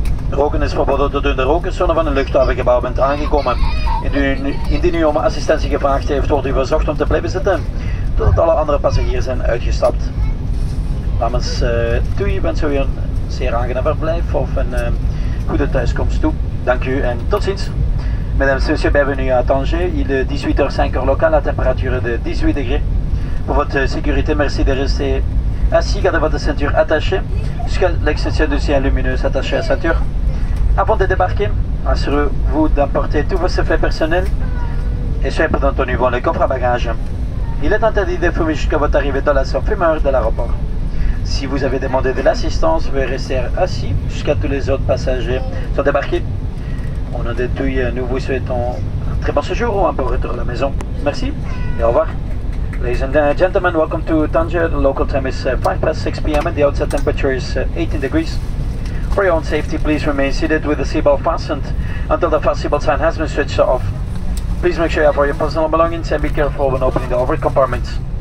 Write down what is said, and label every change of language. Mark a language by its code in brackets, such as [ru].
[nl] Roken is verboden tot u in de rokerszone van een luchthavengebouw bent aangekomen. Indien u om assistentie gevraagd heeft, wordt u verzocht om te blijven zitten totdat alle andere passagiers zijn uitgestapt. Namens TUI wens u een zeer aangenaam verblijf of een goede thuiskomst toe. Dank u en tot ziens. [fr] Mesdames et messieurs, bienvenue à Tanger. Il est 18h05 heure locale, la température est de 18 degrés. Pour votre sécurité, merci de rester assis, gardez votre ceinture attachée, jusqu'à l'extension du ciel lumineux attaché à la ceinture. Avant de débarquer, assurez-vous d'emporter tous vos effets personnels et soyez prudents au niveau des coffres à bagages. Il est interdit de fumer jusqu'à votre arrivée dans la zone fumeur de l'aéroport. Si vous avez demandé de l'assistance, veuillez rester assis jusqu'à tous les autres passagers soient débarqués. Au nom de TUI, nous vous souhaitons un très bon séjour ou un bon retour à la maison. Merci et au revoir. [en] Ladies and gentlemen, welcome to Tanger. The local time is 6:05 PM and the outside temperature is 18 degrees. For your own safety, please remain seated with the seatbelt fastened until the fast seatbelt sign has been switched off. Please make sure you have all your personal belongings and be careful when opening the overhead compartments.